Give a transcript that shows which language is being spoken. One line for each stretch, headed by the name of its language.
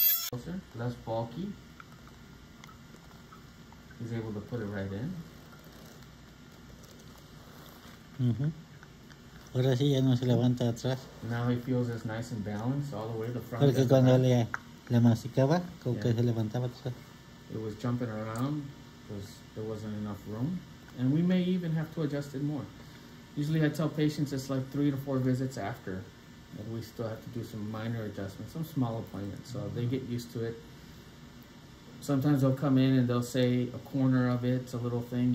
English: Closer, less bulky. He's able to put it right in.
Spanish: Mm-hmm. Ahora sí ya no se levanta atrás.
English: Now he feels it's nice and balanced all the way to the front.
Spanish: Porque cuando le masticaba, como que se levantaba atrás.
English: It was jumping around because there wasn't enough room. And we may even have to adjust it more. Usually I tell patients it's like 3 to 4 visits after that we still have to do some minor adjustments, some small appointments. So they get used to it. Sometimes they'll come in and they'll say a corner of it's a little thing.